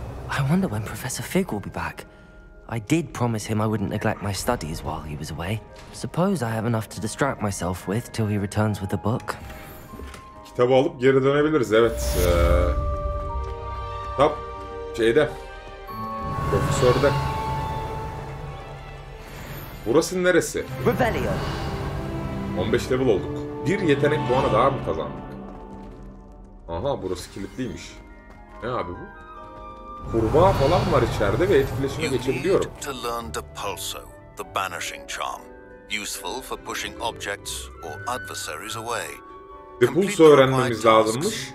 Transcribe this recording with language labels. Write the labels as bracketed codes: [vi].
[en] I wonder when Professor Fig will be back. I did promise him I wouldn't neglect my studies while he was away. Suppose I have enough to distract myself with till he returns with the book. [tr] Kitabı alıp geri dönebiliriz, evet. Kitap şeyde. Profesörde. Burası neresi? Revelio. 15 level olduk. Bir yetenek puanı daha mı kazandık? Aha, burası kilitliymiş. Ne abi bu? Kurbağa falan var içeride ve etkileşime geçebiliyorum. [en] You need to learn the pulso, the banishing charm, useful for pushing objects or adversaries away. [tr] The pulso öğrenmemiz lazımmış.